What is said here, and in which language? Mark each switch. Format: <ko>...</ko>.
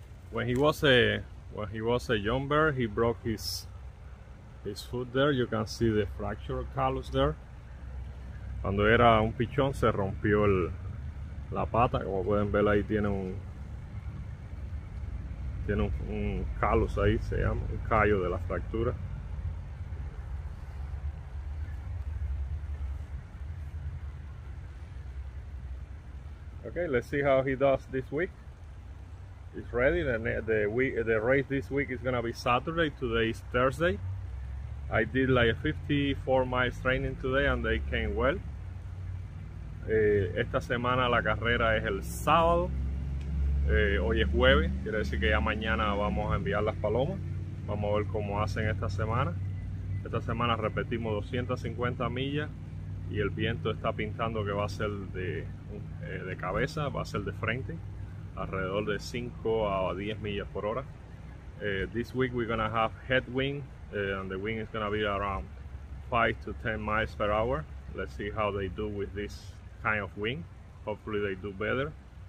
<en>When he was a young bird, he broke his foot there. You can see the fracture callus there.</en> <es>Cuando era un pichón se rompió la pata, como pueden ver ahí tiene un callus ahí, se llama un callo de la fractura.</es> <en>Okay, let's see how he does this week. He's ready. The race this week is gonna be Saturday. Today is Thursday. I did like a 54 miles training today and they came well.</en> <es>Esta semana la carrera es el sábado. Hoy es jueves, quiere decir que ya mañana vamos a enviar las palomas. Vamos a ver cómo hacen esta semana. Esta semana repetimos 250 millas y el viento está pintando que va a ser de cabeza, va a ser de frente, alrededor de 5 a 10 millas por hora.</es> <en>This week we're gonna have headwind. And the wind is going to be around 5 to 10 miles per hour. Let's see how they do with this kind of wind. Hopefully they do better.</en>